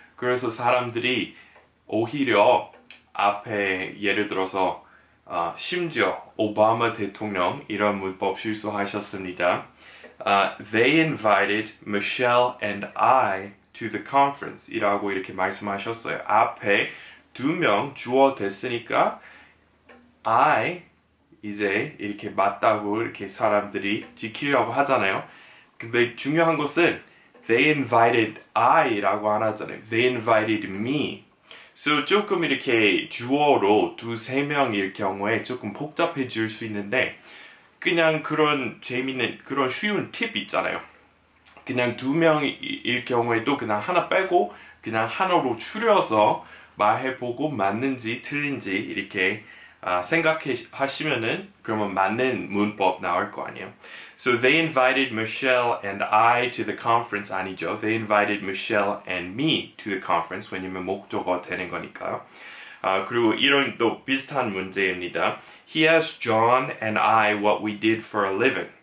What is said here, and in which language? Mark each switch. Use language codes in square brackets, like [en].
[ko] 그래서 사람들이 오히려 앞에, 예를 들어서, 심지어, 오바마 대통령, 이런 문법 실수하셨습니다. [en] They invited Michelle and I to the conference. [ko] 이라고 이렇게 말씀하셨어요. 앞에 두명 주어 됐으니까 I 이제 이렇게 맞다고 이렇게 사람들이 지키려고 하잖아요. 근데 중요한 것은 [en] They invited I [ko] 라고 안 하잖아요. [en] They invited me. [ko] So 조금 이렇게 주어로 두세 명일 경우에 조금 복잡해질 수 있는데 그냥 그런 재밌는 그런 쉬운 팁 있잖아요. 그냥 두 명일 경우에도 그냥 하나 빼고 그냥 하나로 줄여서 말해보고 맞는지 틀린지 이렇게 생각하시면은 그러면 맞는 문법 나올 거 아니에요. [en] So they invited Michelle and I to the conference [ko] 아니죠. [en] They invited Michelle and me to the conference [ko] 왜냐면 목적어 되는 거니까요. 그리고 이런 또 비슷한 문제입니다. [en] He asked John and I what we did for a living.